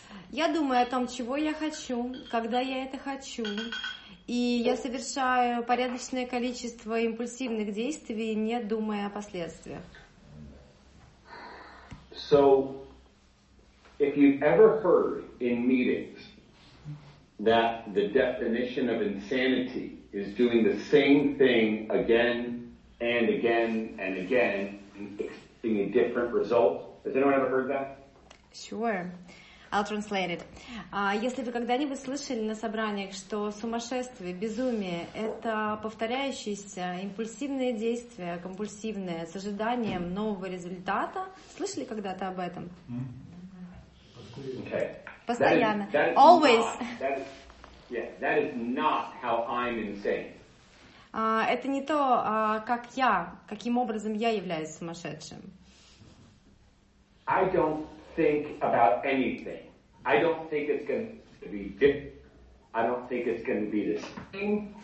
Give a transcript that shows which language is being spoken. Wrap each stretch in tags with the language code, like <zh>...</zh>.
<ru>Я думаю о том, чего я хочу, когда я это хочу, и я совершаю порядочное количество импульсивных действий, не думая о последствиях.</ru> <en>So, if you've ever heard in meetings that the definition of insanity is doing the same thing again and again and again, expecting a different result, has anyone ever heard that? Sure. I'll translate it.</en> <ru>Если вы когда-нибудь слышали на собраниях, что сумасшествие, безумие – это повторяющиеся импульсивные действия, компульсивные, с ожиданием нового результата, слышали когда-то об этом?</ru> <en>Okay.</en> <ru>Постоянно.</ru> <en>That is always. That is not how I'm insane.</en> <ru>Это не то, как я, каким образом я являюсь сумасшедшим.</ru> <en>I don't think about anything. I don't think it's going to be different. I don't think it's going to be the same.</en>